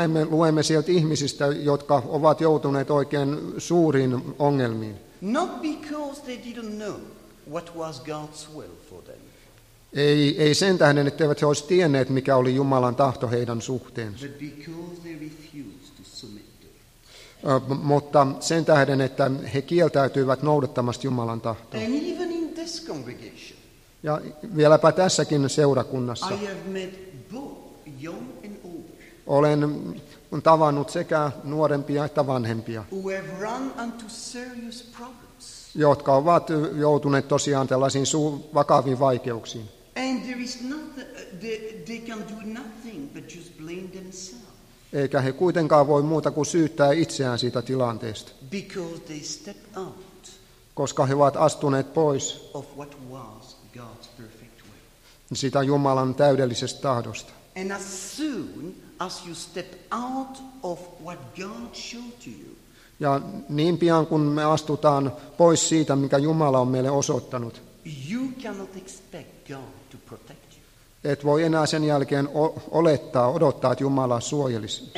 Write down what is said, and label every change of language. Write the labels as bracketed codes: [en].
[fi] Luemme sieltä ihmisistä, jotka ovat joutuneet oikein suuriin ongelmiin. [en] Not because they didn't know what was God's will for them. [fi] Ei sen tähden, etteivät he olisi tienneet, mikä oli Jumalan tahto heidän suhteensa. [en] But because they refused to submit. [fi] Mutta sen tähden, että he kieltäytyivät noudattamasta Jumalan tahtoa. [en] And even in this congregation, [fi] ja vieläpä tässäkin seurakunnassa. [en] I have met both young and older, [fi] olen tavannut sekä nuorempia että vanhempia, [en] who have run into serious problems, [fi] jotka ovat joutuneet tosiaan tällaisiin vakaviin vaikeuksiin. [en] And there is they can do nothing but just blame themselves. [fi] Eikä he kuitenkaan voi muuta kuin syyttää itseään siitä tilanteesta. [en] Because they step out, [fi] koska he ovat astuneet pois [en] of what was God's perfect will, [fi] sitä Jumalan täydellisestä tahdosta. [en] And as soon as you step out of what God showed to you, [fi] ja niin pian kun me astutaan pois siitä, mikä Jumala on meille osoittanut, [en] you cannot expect God to protect. [fi] Et voi enää sen jälkeen olettaa, odottaa, että Jumala suojelisi